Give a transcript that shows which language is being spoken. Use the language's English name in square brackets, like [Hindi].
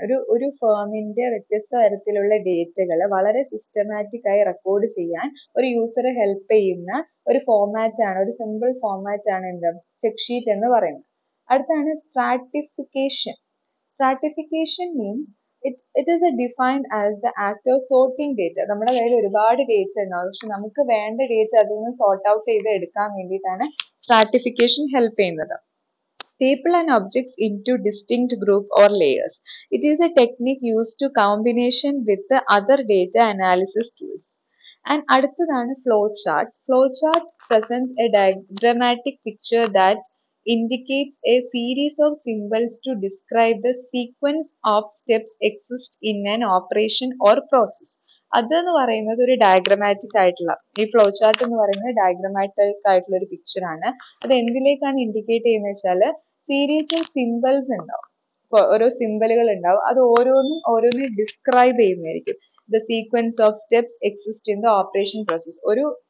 [Malayalam] ഒരു ഒരു ഫേമിന്റെ വ്യത്യസ്ത തരത്തിലുള്ള ഡേറ്റകൾ വളരെ സിസ്റ്റമാറ്റിക് ആയി റെക്കോർഡ് ചെയ്യാൻ ഒരു യൂസറെ ഹെൽപ്പ് ചെയ്യുന്ന ഒരു ഫോർമാറ്റ് ആണ്, ഒരു സിമ്പിൾ ഫോർമാറ്റ് ആണ് എന്ത് ചെക്ക് ഷീറ്റ് എന്ന് പറയുന്നത്. അടുത്താണ് [English] Stratification. Stratification means it it is a defined as the act of sorting data. [Malayalam] നമ്മുടെ കയ്യിൽ ഒരുപാട് ഡേറ്റ ഉണ്ടാവും, പക്ഷെ നമുക്ക് വേണ്ട ഡേറ്റ അതിൽ നിന്ന് സോർട്ട് ഔട്ട് ചെയ്ത് എടുക്കാൻ വേണ്ടിയിട്ടാണ് സ്ട്രാറ്റിഫിക്കേഷൻ ഹെൽപ്പ് ചെയ്യുന്നത്. [English] People and objects into distinct group or layers. It is a technique used to combination with the other data analysis tools. And [Malayalam] adutthana [English] flowcharts. Flowchart presents a diagrammatic picture that indicates a series of symbols to describe the sequence of steps exist in an operation or process. [Malayalam] അത് എന്ന് പറയുന്നത് ഒരു diagrammatic ആയിട്ടുള്ള, ഈ flow chart എന്ന് പറയുന്നത് diagrammatic ആയിട്ടുള്ള ഒരു പിക്ചർ ആണ്. അത് എന്തിലേക്കാണ് ഇൻഡിക്കേറ്റ് ചെയ്യുന്നത് വെച്ചാൽ, സീരീസ് ഓഫ് സിമ്പിൾസ് ഉണ്ടാവും, ഓരോ സിമ്പിളുകൾ ഉണ്ടാവും, അത് ഓരോന്നും ഓരോന്നും ഡിസ്ക്രൈബ് ചെയ്യുന്നതായിരിക്കും. [English] The sequence of steps exist in the operation process. [Malayalam] ഒരു